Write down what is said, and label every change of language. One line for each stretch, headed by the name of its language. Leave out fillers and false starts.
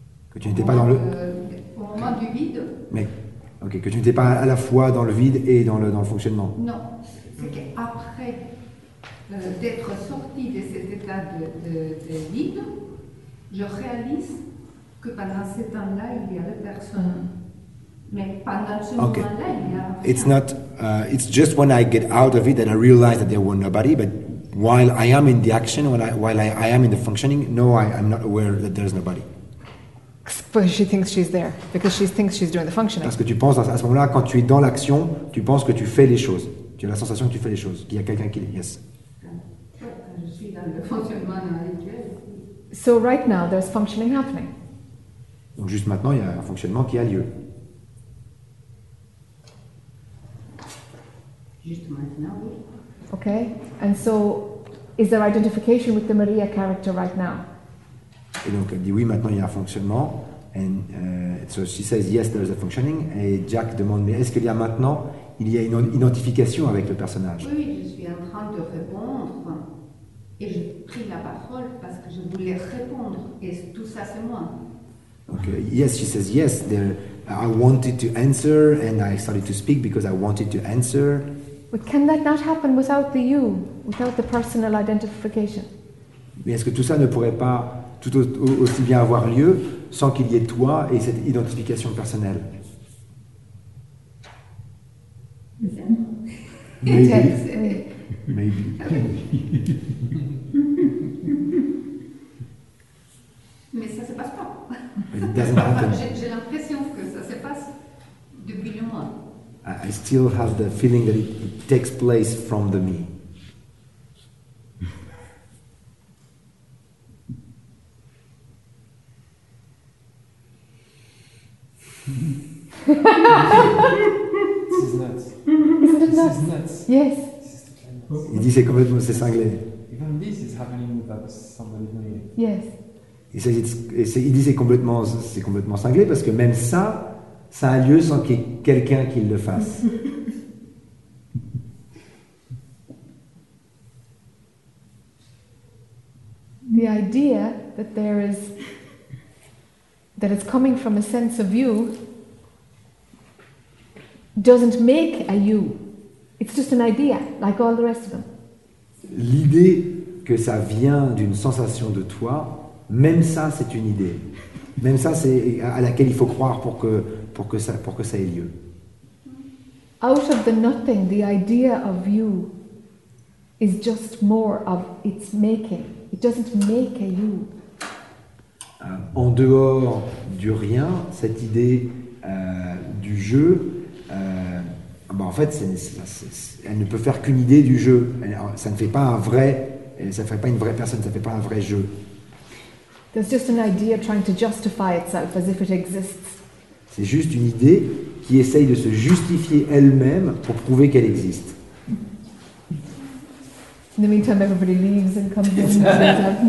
French: Que tu n'étais pas à la fois dans le vide et dans le fonctionnement. Non, c'est qu'après d'être sorti de cet état de vide, je réalise que pendant ce temps-là, il y avait personne. Mais pendant ce moment-là, il y a.
English: It's not. It's just when I get out of it that I realize that there were nobody. But while I am in the action, while I am in the functioning, no, I'm not aware that there's nobody. But she thinks she's there because she thinks she's doing the functioning.
French: Parce que tu penses à ce moment-là, quand tu es dans l'action, tu penses que tu fais les choses. Tu as la sensation que tu fais les choses. Qu'il y a quelqu'un qui.
English: Yes. So right now there's functioning happening.
French: Donc juste maintenant il y a un fonctionnement qui a lieu. Juste maintenant.
English: Okay. And so is there identification with the Maria character right now?
French: Et donc elle dit oui, maintenant il y a un fonctionnement.
English: And so she says yes, there's a functioning.
French: Et Jack demande, mais est-ce qu'il y a maintenant il y a une identification avec le personnage? Oui, je suis en train de répondre. Et j'ai pris la parole parce que je voulais répondre. Et tout ça, c'est moi.
English: Okay. Yes, she says yes. I wanted to answer and I started to speak because I wanted to answer. But can that not happen without the you, without the personal identification? Mais est-ce que tout ça ne pourrait pas tout aussi bien avoir lieu sans qu'il y ait toi et cette identification personnelle? Maybe. Maybe.
French: Mais ça se passe pas.
English: It doesn't happen.
French: J'ai l'impression que ça se passe depuis le moi.
English: I still have the feeling that it takes place from the me. This is nuts. Yes.
French: Il dit c'est complètement c'est cinglé.
English: Even this is happening without somebody doing it. Yes.
French: Il dit c'est complètement cinglé parce que même ça. Ça a lieu sans qu'il y ait quelqu'un qui le fasse.
English: The idea that there is that it's coming from a sense of you doesn't make a you. It's just an idea, like all the rest of them.
French: L'idée que ça vient d'une sensation de toi, même ça c'est une idée. Même ça c'est à laquelle il faut croire pour que ça ait lieu.
English: Out of the nothing, the idea of you is just more of its making. It doesn't make a you.
French: En dehors du rien, cette idée du jeu, ben en fait, c'est, elle ne peut faire qu'une idée du jeu. Ça ne fait pas un vrai, ça ne fait pas une vraie personne, ça ne fait pas un vrai jeu.
English: There's just an idea trying to justify itself as if it exists.
French: C'est juste une idée qui essaye de se justifier elle-même pour prouver qu'elle existe.
English: In the meantime, everybody leaves and comes in and says that.